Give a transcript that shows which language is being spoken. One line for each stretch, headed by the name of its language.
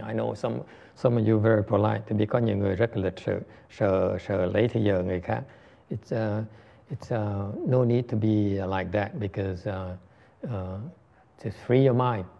English: I know some of you are very polite.
Vietnamese: Tại vì có nhiều người rất lịch sự, sợ lấy thời giờ người khác.
English: It's no need to be like that because just free your mind.